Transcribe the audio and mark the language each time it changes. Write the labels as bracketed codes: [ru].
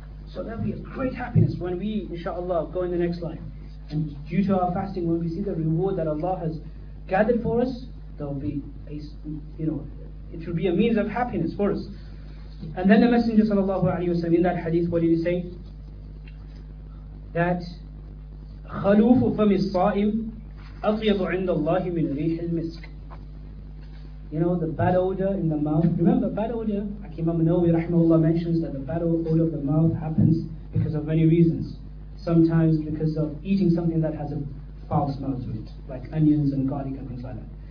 [en] So there'll be a great happiness when we, inshallah, go in the next life. And due to our fasting, when we see the reward that Allah has gathered for us, there'll be it will be a means of happiness for us. And then the Messenger sallallahu alayhi wa sallam, in that hadith, what did he say? That [ar] خَلُوفُ فَمِ الصَّائِمْ أَطْيَضُ عِنْدَ اللَّهِ مِنْ رِيحِ الْمِسْكِ. [en] You know, the bad odor in the mouth. Remember, bad odor, Imam Nawawi rahimahullah mentions that the bad odor of the mouth happens because of many reasons. Sometimes because of eating something that has a foul smell to it, like onions and garlic and things like that.